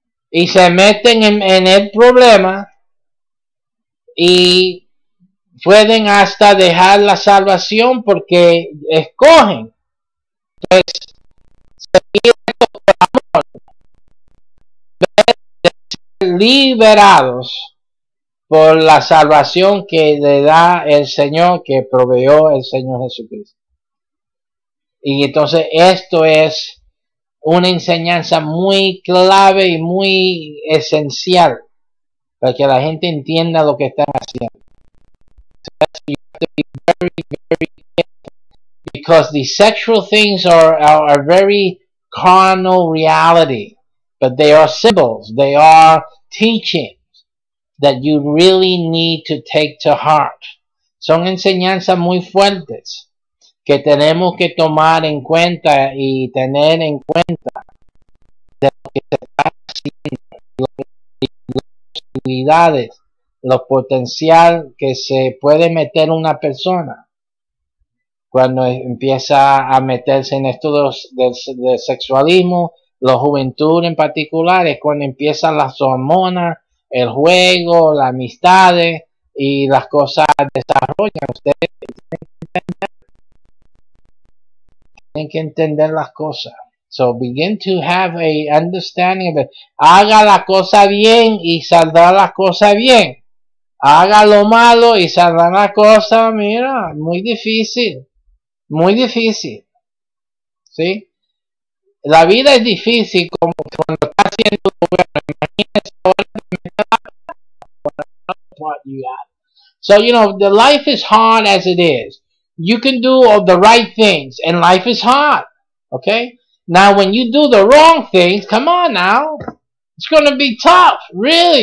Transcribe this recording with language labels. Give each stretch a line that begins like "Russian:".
Spanish: Y se meten en el problema. Y pueden hasta dejar la salvación porque escogen, pues, seguir por amor, ser liberados por la salvación que le da el Señor, que proveyó el Señor Jesucristo. Y entonces esto es una enseñanza muy clave y muy esencial para que la gente entienda lo que están haciendo.
English: So you have to be very, very careful because the sexual things are a very carnal reality, but they are symbols, they are teachings that you really need to take to heart.
Spanish: Son enseñanzas muy fuertes que tenemos que tomar en cuenta y tener en cuenta de lo que se está haciendo, las posibilidades, lo potencial que se puede meter una persona cuando empieza a meterse en esto de sexualismo, la juventud en particular, es cuando empiezan las hormonas, el juego, las amistades y las cosas desarrollan. Ustedes tienen que entender las cosas.
English: So begin to have a understanding of it.
Spanish: Haga la cosa bien y saldrá la cosa bien. Haga lo malo y saldrá la cosa, mira, muy difícil. Muy difícil. ¿Sí? La vida es difícil como cuando está haciendo el gobierno. Imagínese
English: So, you know, the life is hard as it is. You can do all the right things, and life is hard, okay? Now, when you do the wrong things, come on now. It's going to be tough, really.